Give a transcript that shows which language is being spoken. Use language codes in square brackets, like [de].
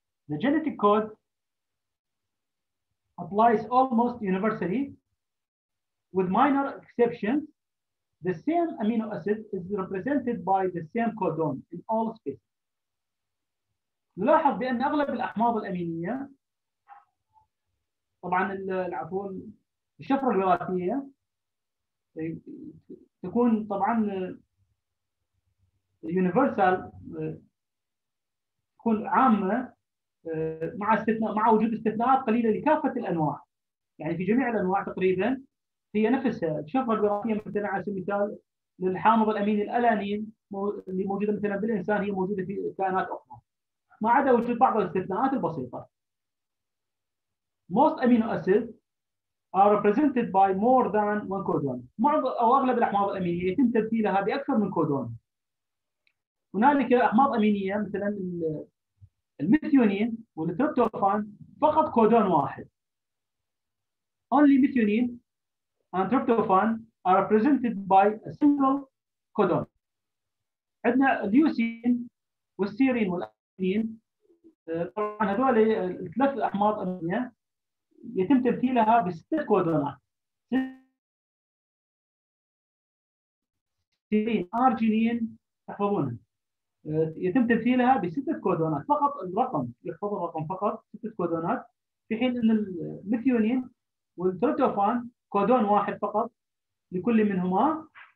[en] The genetic code applies almost universally with minor exceptions. The same amino acid is represented by the same codon in all species. [ar] نلاحظ بأن أغلب الأحماض الأمينية طبعا العفو الشفرة الوراثية تكون طبعا يونيفرسال، تكون عامة مع استثناء مع وجود استثناءات قليلة لكافة الأنواع، يعني في جميع الأنواع تقريبا هي نفسها. الشفرة الوراثية مثلا على سبيل المثال للحامض الأمين الألانين اللي موجودة مثلا بالإنسان هي موجودة في كائنات أخرى ما عدا وجود بعض الاستثناءات البسيطة. [en] Most amino acids are represented by more than one codon. [ar] معظم أو أغلب الأحماض الأمينية يتم تمثيلها بأكثر من كودون. هنالك أحماض أمينية مثلا الميثيونين والتريبتوفان فقط كودون واحد. [en] Only methionine and tryptophan are represented by a single codon. [ar] عندنا اليوسين والسيرين والأمينين، طبعا هذول الثلاث أحماض أمينية يتم تمثيلها بست كودونات، سيرين أرجينين تحفظونه، يتم تمثيلها بست كودونات فقط، الرقم يحفظ الرقم فقط ست كودونات، في حين ان الميثيونين والتريبتوفان كودون واحد فقط لكل منهما،